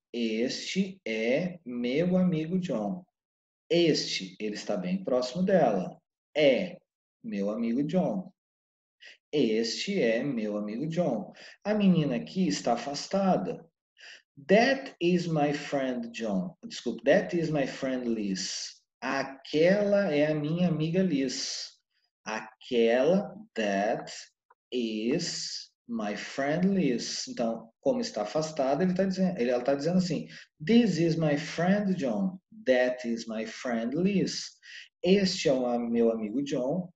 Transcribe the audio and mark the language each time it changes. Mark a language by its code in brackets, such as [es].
[pt] Este é meu amigo John. Este, ele está bem próximo dela. É meu amigo John. Este é meu amigo John. A menina aqui está afastada. [en] That is my friend John. [pt] Desculpa, [en] that is my friend Liz. [pt] Aquela é a minha amiga Liz. Aquela, [en] that is. My friend Liz. [pt] Então, como está afastado, ela está dizendo assim: [en] This is my friend John. That is my friend Liz. [pt] Este é o meu amigo John.